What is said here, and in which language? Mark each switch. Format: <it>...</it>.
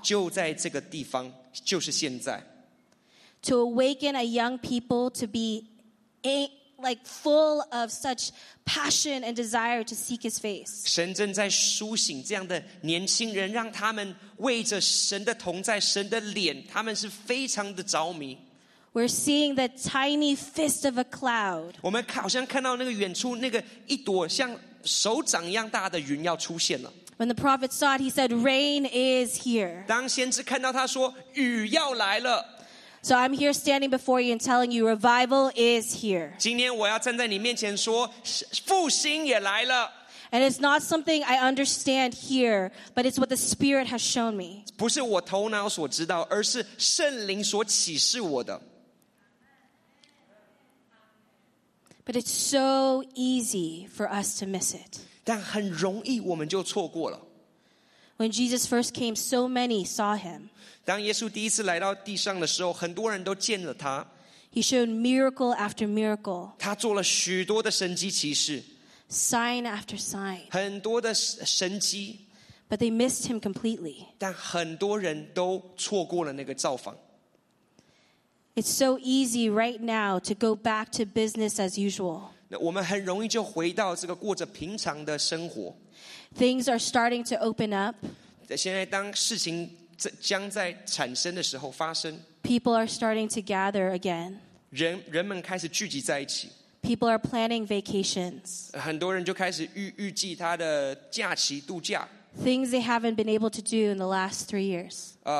<en>To awaken a young people to be like full of such passion and desire to seek his face.</en> <zh>神正在苏醒这样的年轻人, 让他们为着神的同在, 神的脸, 他们是非常的着迷。</zh> <en>We're seeing the tiny fist of a cloud.</en> <zh>我们好像看到那个远处, 那个一朵像手掌一样大的云要出现了。</zh> <en>When the prophet saw it, he said, rain is here.</en> <zh>当先知看到他说, 雨要来了。</zh> <en>So I'm here standing before you and telling you, revival is here.</en> <zh>今天我要站在你面前说, 复兴也来了。</zh> <en>And it's not something I understand here, but it's what the Spirit has shown me.</en> <zh>不是我头脑所知道, 而是圣灵所启示我的。</zh> <en>But it's so easy for us to miss it.</en> <zh>但很容易我们就错过了。</zh> <en>When Jesus first came, so many saw him.</en> <zh>当耶稣第一次来到地上的时候, 很多人都见了他。</zh> <en>He showed miracle after miracle.</en> <zh>他做了许多的神迹奇事。</zh> <en>Sign after sign.</en> <zh>很多的神迹。</zh> <en>But they missed him completely.</en> <zh>但很多人都错过了那个造访。</zh> <en>It's so easy right now to go back to business as usual.</en> <zh>我们很容易就回到这个过着平常的生活。</zh> <en>Things are starting to open up.</en> <zh>现在当事情将在产生的时候发生。</zh> <en>People are starting to gather again.</en> <zh>人们开始聚集在一起。</zh> <en>People are planning vacations.</en> <zh>很多人就开始预计他的假期度假。</zh> <en>Things they haven't been able to do in the last 3 years.</en>